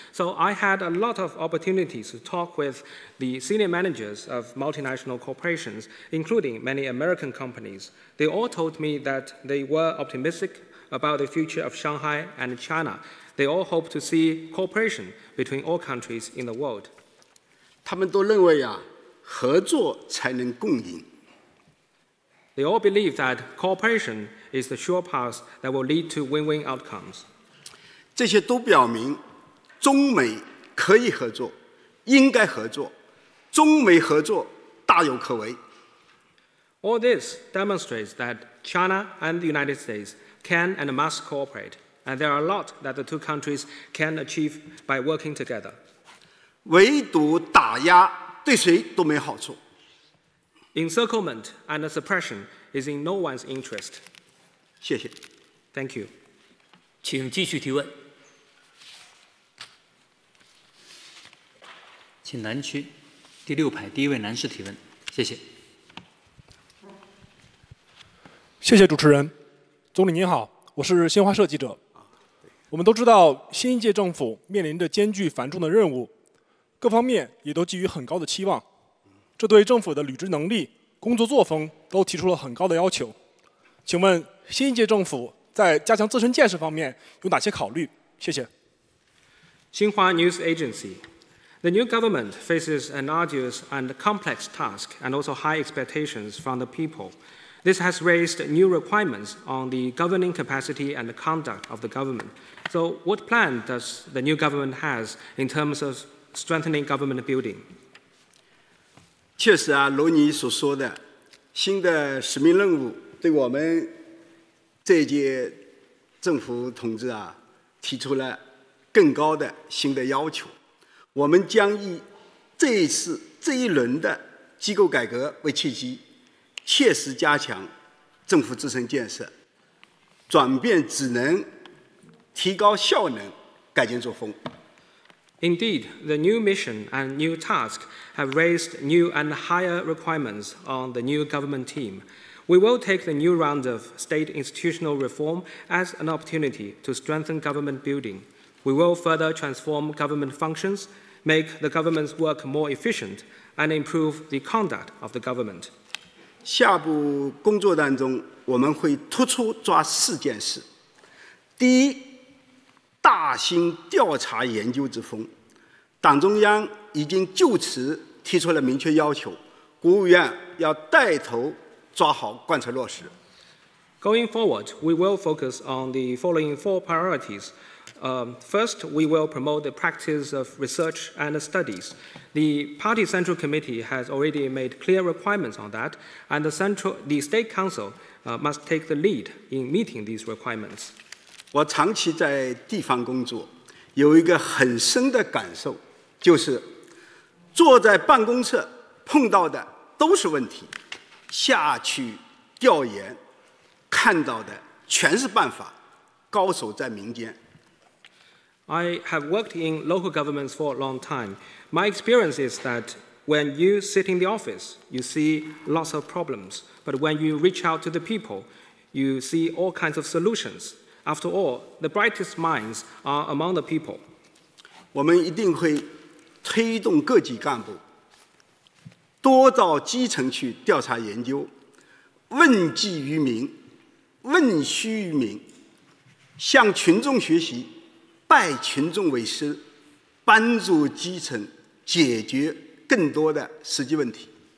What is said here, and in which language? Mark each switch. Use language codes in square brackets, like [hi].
[en] So I had a lot of opportunities to talk with the senior managers of multinational corporations, including many American companies. They all told me that they were optimisticabout the future of Shanghai and China. They all hope to see cooperation between all countries in the world. [zh] 他们都认为啊，合作才能共赢。 [en] They all believe that cooperation is the sure path that will lead to win-win outcomes. [zh] 这些都表明中美可以合作，应该合作，中美合作大有可为。 [en] All this demonstrates that China and the United States can and must cooperate, and there are a lot that the two countries can achieve by working together. [zh] 唯独打压对谁都没好处。 [en] Encirclement and suppression is in no one's interest. [zh] 谢谢。 [en] Thank you. [zh] 请继续提问。请南区第六排第一位男士提问。谢谢。谢谢主持人。总理您好，我是新华社记者。我们都知道新一届政府面临着艰巨繁重的任务，各方面也都寄予很高的期望，这对政府的履职能力、工作作风都提出了很高的要求。请问新一届政府在加强自身建设方面有哪些考虑？谢谢。 [en] 新华 News Agency。 The new government faces an arduous and complex task and also high expectations from the peopleThis has raised new requirements on the governing capacity and the conduct of the government. So what plan does the new government have in terms of strengthening government building? [zh] 确实啊，如你所说的，新的使命任务对我们这届政府同志啊，提出了更高的新的要求。我们将以这一轮的机构改革为契机，切实加强政府自身建设，转变职能，提高效能，改进作风。 [en] Indeed, the new mission and new task have raised new and higher requirements on the new government team. We will take the new round of state institutional reform as an opportunity to strengthen government building. We will further transform government functions, make the government's work more efficient, and improve the conduct of the government. [zh] 下部工作当中，我们会突出抓4件事。第一，大兴调查研究之风。党中央已经就此提出了明确要求，国务院要带头抓好贯彻落实。 [en] Going forward, we will focus on the following 4 priorities. First, we will promote the practice of research and studies. The Party Central Committee has already made clear requirements on that, and the State Council must take the lead in meeting these requirements. [zh] 我长期在地方工作，有一个很深的感受，就是坐在办公室碰到的都是问题，下去调研，看到的全是办法，高手在民间。 [en] I have worked in local governments for a long time. My experience is that when you sit in the office, you see lots of problems. But when you reach out to the people, you see all kinds of solutions. After all, the brightest minds are among the people. [zh] 我们一定会推动各级干部多到基层去调查研究，问计于民，问需于民，向群众学习，拜群众为师，帮助基层解决更多的实际问题。